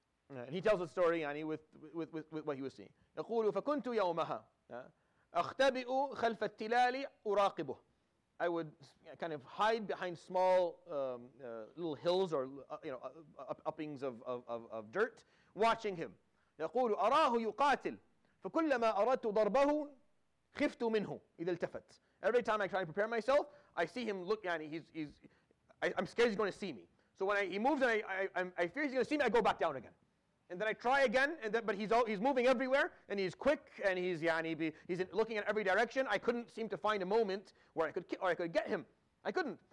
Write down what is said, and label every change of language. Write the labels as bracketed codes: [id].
[en] And he tells the story with what he was seeing. [ar] يَقُولُ فَكُنْتُ يَوْمَهَا أَخْتَبِئُ خَلْفَ التِّلَالِ أُرَاقِبُهُ. [en] I would kind of hide behind small little hills or uppings of dirt, watching him. [ar] يقول أراه يقاتل فكلما أردت ضربه خفت منه إذا التفت. [en] Every time I try to prepare myself, I see him look. Yani, I'm scared he's going to see me. So when he moves and I fear he's going to see me, I go back down again. And then I try again, but he's moving everywhere, and he's quick, and he's looking in every direction. I couldn't seem to find a moment where I could get him. I couldn't.